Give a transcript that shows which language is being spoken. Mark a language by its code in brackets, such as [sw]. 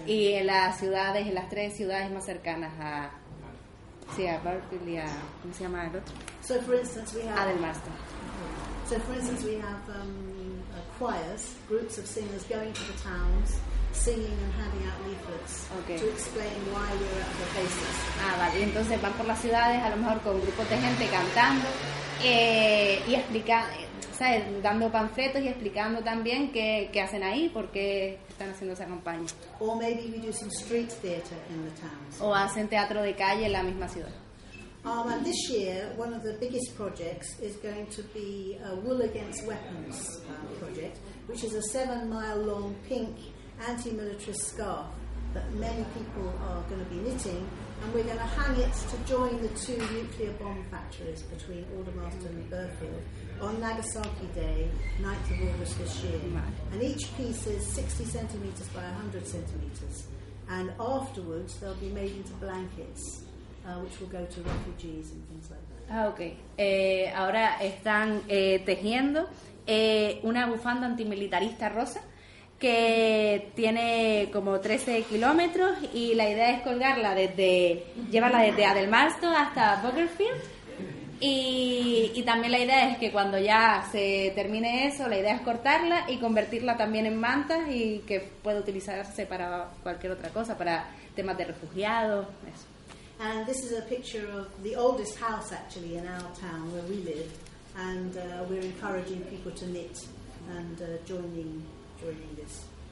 [es] Y en las ciudades, en las tres ciudades más cercanas a, sí, a Berkeley, a, ¿cómo se llama el otro? [en] So for instance, we have Adelmaston. So for instance, we have choirs, groups of singers going to the towns, singing and handing out leaflets to explain why we're at the bases. [es] Ah, vale. Y entonces van por las ciudades, a lo mejor con grupos de gente cantando y explicando. ¿Sabes? Dando panfletos y explicando también qué hacen ahí, por qué están haciendo esa campaña. [en] Or maybe we do some street theater in the town, so. [es] O hacen teatro de calle en la misma ciudad. [en] And this year, one of the biggest projects is going to be a Wool Against Weapons project, which is a 7-mile-long pink anti-militarist scarf that many people are going to be knitting, and we're going to hang it to join the two nuclear bomb factories between Aldermaston and Burfield on Nagasaki Day, 9th of August this year. And each piece is 60 centimetres by 100 centimetres. And afterwards, they'll be made into blankets, which will go to refugees and things like that. Ah, okay. [es] Ahora están tejiendo una bufanda antimilitarista rosa que tiene como 13 kilómetros y la idea es colgarla desde, llevarla desde Adelmaston hasta Burfield. Y también la idea es que cuando ya se termine eso, la idea es cortarla y convertirla también en mantas y que pueda utilizarse para cualquier otra cosa, para temas de refugiados, eso. [en] And this is a picture of the oldest house actually in our town where we live, and we're encouraging people to knit and joining this.